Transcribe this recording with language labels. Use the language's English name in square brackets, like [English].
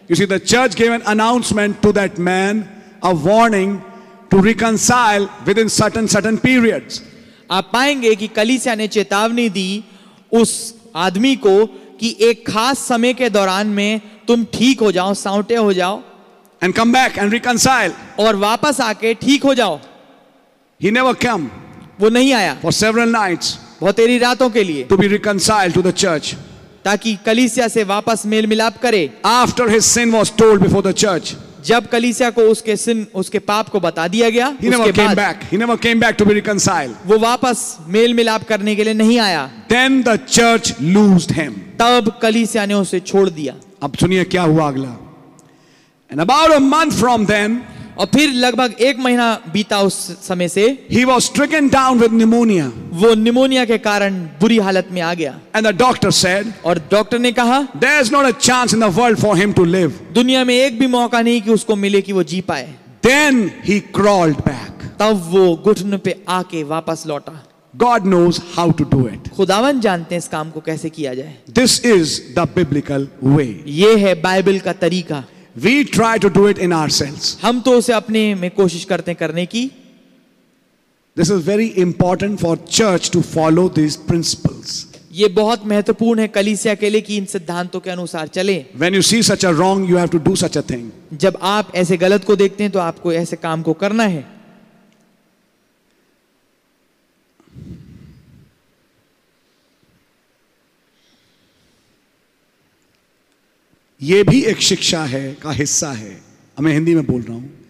[English] You see, the church gave an announcement to that man, a warning to reconcile within certain periods. [Hindi] आप पाएंगे कि कलीसिया ने चेतावनी दी उस आदमी को कि एक खास समय के दौरान में तुम ठीक हो जाओ, सांवटे हो जाओ. [English] And come back and reconcile. [Hindi] और वापस आके ठीक हो जाओ. [English] He never came. [Hindi] वो नहीं आया. [English] For several nights. [Hindi] बहुत तेरी रातों के लिए. [English] To be reconciled to the church. [Hindi] ताकि कलीसिया से वापस मेल मिलाप करे. [English] After his sin was told before the church. [Hindi] जब कलीसिया को उसके sin, उसके पाप को बता दिया गया. [English] He never came back. He never came back to be reconciled. [Hindi] वो वापस मेल मिलाप करने के लिए नहीं आया. [English] Then the church loosed him. [Hindi] तब कलीसिया ने उसे छोड़ दिया. अब सुनिए क्या हुआ अगला. [English] And about a month from then. [Hindi] और फिर लगभग एक महीना बीता उस समय से [English] He was stricken down with pneumonia. [Hindi] वो निमोनिया के कारण बुरी हालत में आ गया [English] And the doctor said, [Hindi] और डॉक्टर ने कहा [English] There is not a chance in the world for him to live. [Hindi] दुनिया में एक भी मौका नहीं कि उसको मिले कि वो जी पाए [English] Then he crawled back. [Hindi] तब वो घुटने पे आके वापस लौटा [English] God knows how to do it. [Hindi] खुदावन जानते हैं इस काम को कैसे किया जाए. [English] This is the biblical way. [Hindi] ये है बाइबल का तरीका. [English] We try to do it in ourselves. [Hindi] हम तो उसे अपने में कोशिश करते हैं करने की. [English] This is very important for church to follow these principles. [Hindi] ये बहुत महत्वपूर्ण है कलीसिया के लिए कि इन सिद्धांतों के अनुसार चले. [English] When you see such a wrong, you have to do such a thing. [Hindi] जब आप ऐसे गलत को देखते हैं तो आपको ऐसे काम को करना है. ये भी एक शिक्षा है का हिस्सा है. मैं हिंदी में बोल रहा हूं.